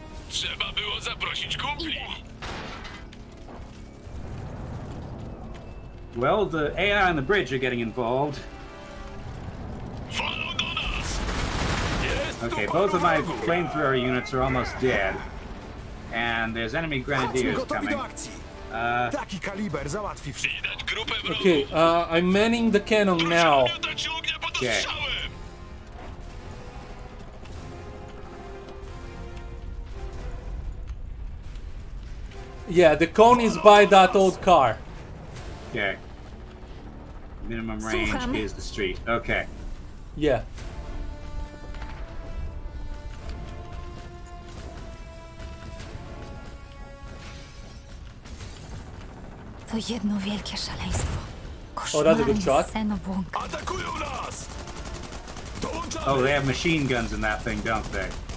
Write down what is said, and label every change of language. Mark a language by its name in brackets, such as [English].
[Polish] Trzeba było zaprosić kumpli. [English] Well, the AI and the bridge are getting involved. Okay, both of my flamethrower units are almost dead. And there's enemy grenadiers coming. Okay, I'm manning the cannon now. Okay. Yeah, the cone is by that old car. Okay. Minimum range is the street. Okay. Yeah. [Polish] To jedno wielkie szaleństwo. [English] Oh, they have machine guns in that thing, don't they?